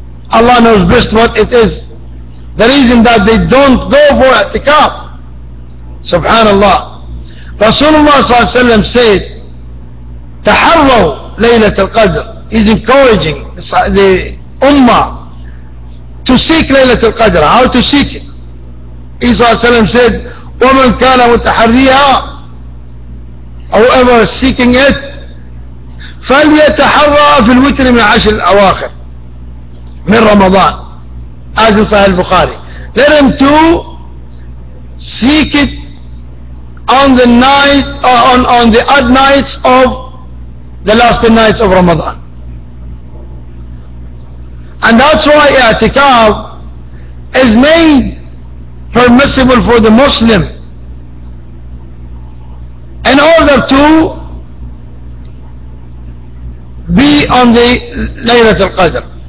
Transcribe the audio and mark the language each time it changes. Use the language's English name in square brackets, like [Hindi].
[English] Allah knows best what it is. The reason that they don't go for i'tikaf. Subhanallah. Rasulullah sallallahu alayhi wa sallam said, [Arabic] تحروا ليلة القدر. [English] He's encouraging the ummah to seek ليلة القدر. How to seek it? [Arabic] Isa said, وَمَنْ كَانَ مُتَحَرِّيَا [English] whoever is seeking it [Arabic] فَلْيَتَحَرَّى فِي الْوِتْرِ مِنْ عَشْرِ الْأَوَاخِرِ مِنْ رَمَضَانِ. [English] As in Sahih al-Bukhari, let him to seek it on the night on the odd nights of the last nights of Ramadan. And that's why i'tikaf is made permissible for the Muslim in order to be on the Laylatul Qadr.